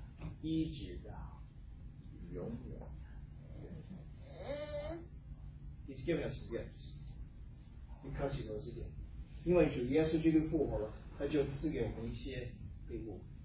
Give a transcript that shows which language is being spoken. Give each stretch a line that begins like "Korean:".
Chinese: 就因为你顺服主耶稣的大使命，有一天，那个人要接着主耶稣基督，靠神喜乐，一直到永远。
English: He's giving us gifts because he knows again.
Chinese: 因为主耶稣基督复活了，他就赐给我们一些礼物。